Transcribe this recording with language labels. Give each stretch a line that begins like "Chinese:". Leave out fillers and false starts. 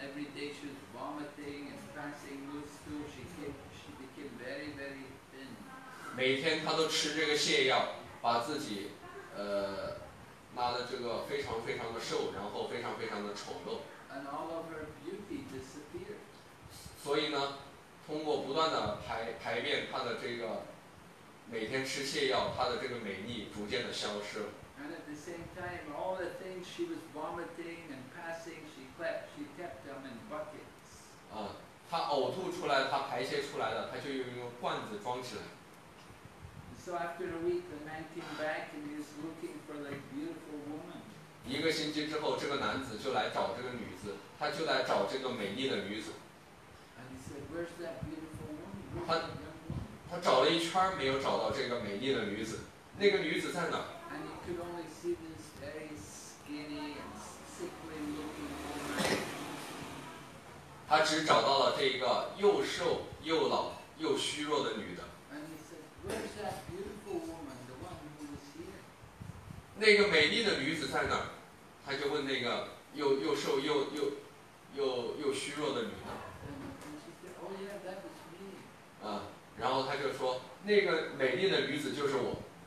English: Every day she was vomiting and passing loose stool. She became very, very thin.
Chinese: 每天她都吃这个泻药，把自己。拉的这个非常非常的瘦，然后非常非常的丑陋。
English: And all of her beauty disappeared.
Chinese: 所以呢，通过不断的排便，她的这个每天吃泻药，她的这个美丽逐渐的消失了。
English: And at the same time, all the things she was vomiting and passing, she kept them in buckets.
Chinese: 啊，她呕吐出来，她排泄出来的，她就用一个罐子装起来。
English: So after a week, the man came back and he was looking for the beautiful woman.
Chinese: 一个星期之后，这个男子就来找这个女子，他就来找这个美丽的女子。
English: And he said, "Where's that beautiful woman?"
Chinese: 他找了一圈没有找到这个美丽的女子，那个女子在哪？
English: And he could only see this very skinny and sickly-looking woman.
Chinese: 他只找到了这个又瘦又老又虚弱的女的。
English: Where's that beautiful woman, the one who was here?
Chinese: 那个美丽的女子在哪？他就问那个又瘦又虚弱的女的。
English: And she said, "Oh yeah, that was me."
Chinese: 啊，然后他就说，那个美丽的女子就是我。